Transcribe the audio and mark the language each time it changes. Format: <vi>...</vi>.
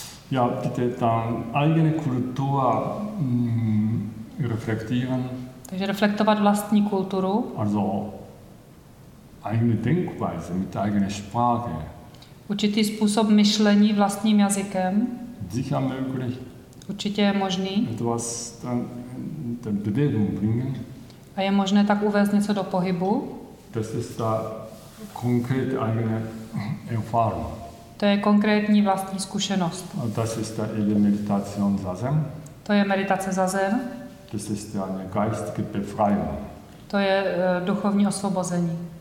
<de>Ja, bitte dann eigene Kultur reflektieren.</de> <cs>Takže reflektovat vlastní kulturu.</cs> <de>Also, eigene Denkweise mit eigener Sprache.</de> <cs>Určitý způsob myšlení vlastním jazykem.</cs> <de>Sicher möglich.</de> <cs>Určitě je možný.</cs> <de>Etwas dann Bewegung bringen.</de> <cs>A je možné tak uvést něco do pohybu.</cs> <de>Das ist da konkrete eigene Erfahrung.</de> <cs>To je konkrétní vlastní zkušenost.</cs> <de>Das ist da eine Meditation Zazen.</de> <cs>To je meditace Zazen.</cs> <de>Das ist da eine geistige Befreiung.</de> <cs>To je duchovní osvobození.</cs>